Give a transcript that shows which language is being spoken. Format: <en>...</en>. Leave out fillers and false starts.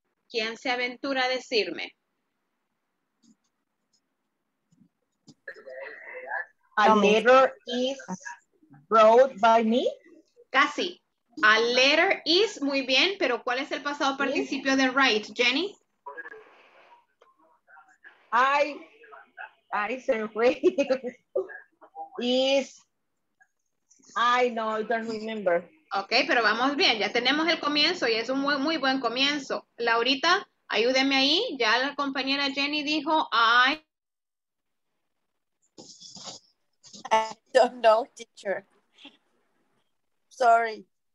<es>¿Quién se aventura a decirme?</es> <en>A letter is wrote by me.</en> <es>Casi.</es> <en>A letter is,</en> <es>muy bien, pero ¿cuál es el pasado participio de write, Jenny?</es> <en>I said is, I no, I don't remember.</en> <es>Ok, pero vamos bien, ya tenemos el comienzo y es un muy, muy buen comienzo. Laurita, ayúdeme ahí, ya la compañera Jenny dijo, I</es> <en>don't know, teacher. Sorry.</en>